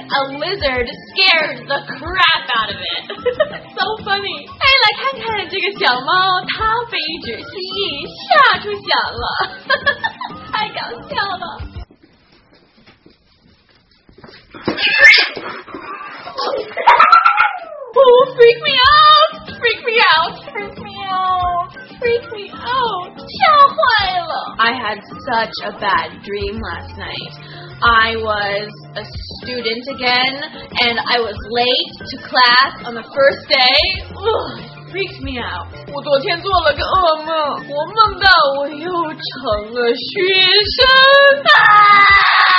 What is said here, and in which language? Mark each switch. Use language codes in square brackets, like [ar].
[en] A lizard scared the crap out of it. So funny. [zh] 哎，来看看这个小猫，它被一只蜥蜴吓出翔了。太搞笑了。 [en] Oh, freak me out! Freak me out! Freak me out! Freak me out! [zh] 吓坏了 [en] I had such a bad dream last night. I was a student again, and I was late to class on the first day. Ugh, freaked me out. [zh] 我昨天做了个噩梦，我梦到我又成了学生。